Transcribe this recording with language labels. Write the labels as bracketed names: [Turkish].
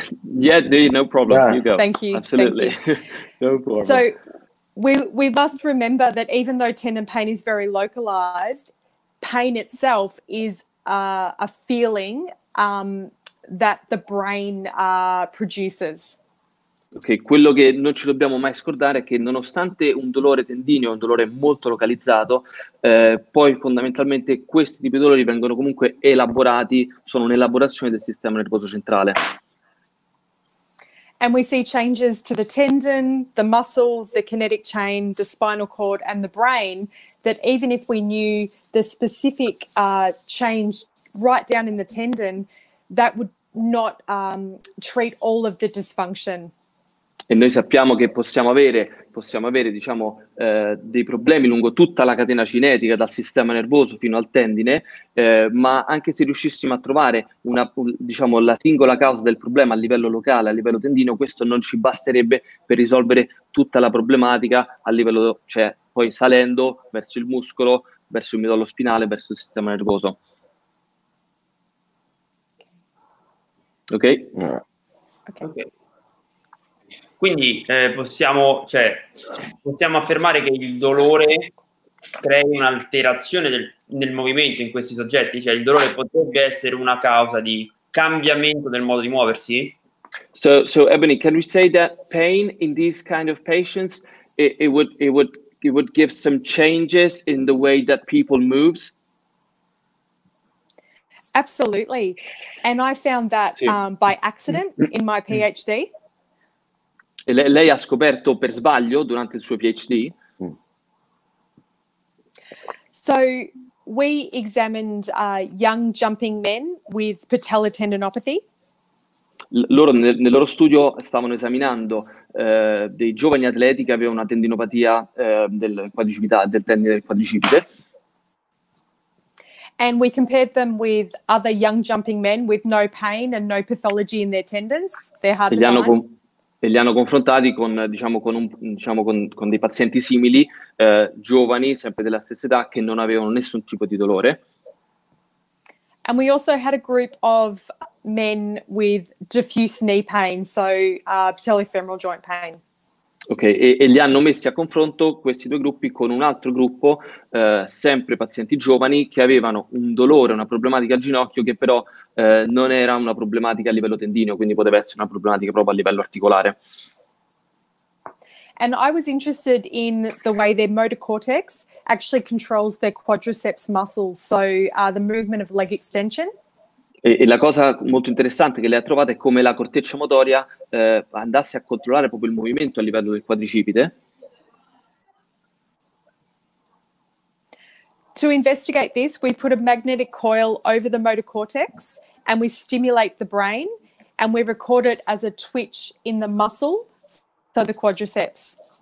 [English] Yeah, dude, no problem. Yeah. You go. Thank you. Absolutely. Thank you. No problem. So we must remember that even though tendon pain is very localized, pain itself is a feeling that the brain produces. [Italian] Ok, quello che non ci dobbiamo mai scordare è che nonostante un dolore tendineo, un dolore molto localizzato, poi fondamentalmente questi tipi di dolori vengono comunque elaborati, sono un'elaborazione del sistema nervoso centrale. [English] And we see changes to the tendon, the muscle, the kinetic chain, the spinal cord and the brain that even if we knew the specific change right down in the tendon, that would not treat all of the dysfunction. [Italian] E noi sappiamo che possiamo avere diciamo dei problemi lungo tutta la catena cinetica dal sistema nervoso fino al tendine, ma anche se riuscissimo a trovare una diciamo la singola causa del problema a livello locale, a livello tendineo, questo non ci basterebbe per risolvere tutta la problematica a livello, cioè poi salendo verso il muscolo, verso il midollo spinale, verso il sistema nervoso. Ok. Okay. Quindi possiamo affermare che il dolore crea un'alterazione nel movimento in questi soggetti? Cioè il dolore potrebbe essere una causa di cambiamento del modo di muoversi? [English] So Ebony, can we say that pain in these kind of patients it would give some changes in the way that people moves? Absolutely. And I found that by accident in my PhD. [Italian] E lei ha scoperto per sbaglio durante il suo PhD? [English] So we examined young jumping men with patellar tendinopathy. [Italian] Loro nel loro studio stavano esaminando dei giovani atleti che avevano una tendinopatia del tendine del quadricipite. [English] And we compared them with other young jumping men with no pain and no pathology in their tendons. They're hard to find. [Italian] E li hanno confrontati con, diciamo, con dei pazienti simili, giovani, sempre della stessa età, che non avevano nessun tipo di dolore. [English] And we also had a group of men with diffuse knee pain, so patellofemoral joint pain. [Italian] Ok, e li hanno messi a confronto questi due gruppi con un altro gruppo, sempre pazienti giovani, che avevano un dolore, una problematica al ginocchio, che però non era una problematica a livello tendineo, quindi poteva essere una problematica proprio a livello articolare. [English] And I was interested in the way their motor cortex actually controls their quadriceps muscles, so the movement of leg extension. [Italian] E la cosa molto interessante che lei ha trovato è come la corteccia motoria andasse a controllare proprio il movimento a livello del quadricipite. [English] To investigate this, we put a magnetic coil over the motor cortex and we stimulate the brain and we record it as a twitch in the muscle, so the quadriceps.